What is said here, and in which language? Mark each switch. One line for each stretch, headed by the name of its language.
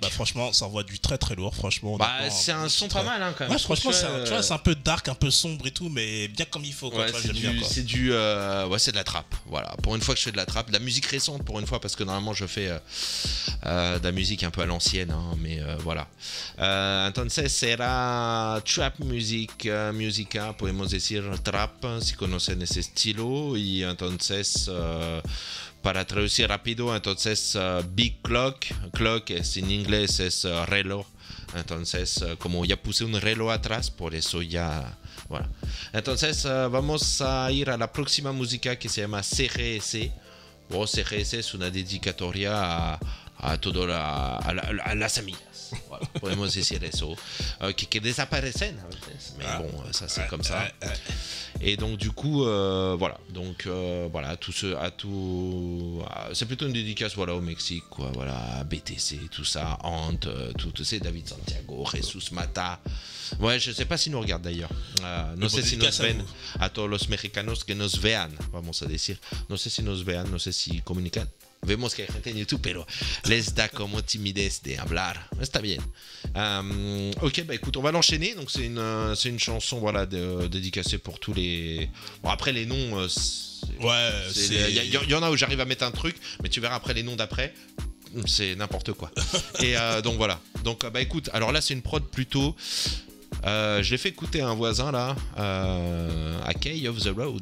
French: Bah, franchement, ça envoie du très très lourd, franchement. Bah, c'est un son très... pas mal, hein, quand même. Ouais, franchement, tu vois, c'est un peu dark, un peu sombre et tout, mais bien comme il faut, quoi. Ouais, tu vois, c'est, j'aime du, bien, quoi. C'est du. Ouais, c'est de la trappe, voilà. Pour une fois que je fais de la trappe, de la musique récente, pour une fois, parce que normalement, je fais de la musique un peu à l'ancienne, hein, mais voilà.
Spanish: Entonces, será trap music, musica, podemos decir trap, si conocen ese estilo, y entonces. Para traducir rápido, entonces Big Clock, Clock es en inglés, es reloj, entonces como ya puse un reloj atrás, por eso ya, bueno. Entonces vamos a ir a la próxima música que se llama CGS, o CGS es una dedicatoria a todas a las amigas, voilà, podemos decir eso, que desaparecen a veces,
French: mais bon, ça c'est comme ça. Et donc du coup voilà, donc voilà, tout ce, à tout, c'est plutôt une dédicace voilà au Mexique quoi, voilà, BTC, tout ça, Ant, tout c'est David Santiago, Jesús Mata. Ouais, je sais pas s'il nous regarde d'ailleurs.
Spanish: No sé si nos ven a todos los mexicanos que nos vean, vamos a decir. No sé si nos vean, no sé si comunican. Vemos que hay gente en YouTube, pero les da como timidez de hablar. Está bien.
French: Ok, bah écoute, on va l'enchaîner. Donc, c'est une chanson voilà, dédicacée pour tous les. Bon, après, les noms. Il y en a où j'arrive à mettre un truc, mais tu verras après les noms d'après. C'est n'importe quoi. Et donc, voilà. Donc, bah écoute, alors là, c'est une prod plutôt. Je l'ai fait écouter à un voisin là, à Kay of the Road.